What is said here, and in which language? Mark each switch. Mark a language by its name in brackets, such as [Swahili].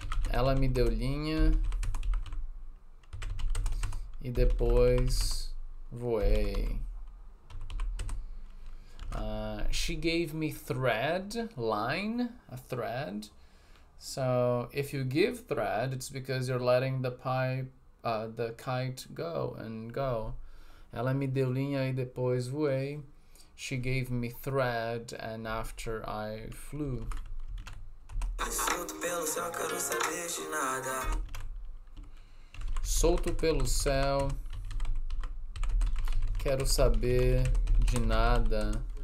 [Portuguese] Ela me deu linha e depois voei. [English] She gave me thread, line, a thread. So if you give thread, it's because you're letting the pipe. The kite go and go. [Portuguese] Ela me deu linha e depois voei. [English] She gave me thread and after I flew. [Portuguese] Solto pelo céu, quero saber de nada. Solto pelo céu, quero saber de nada.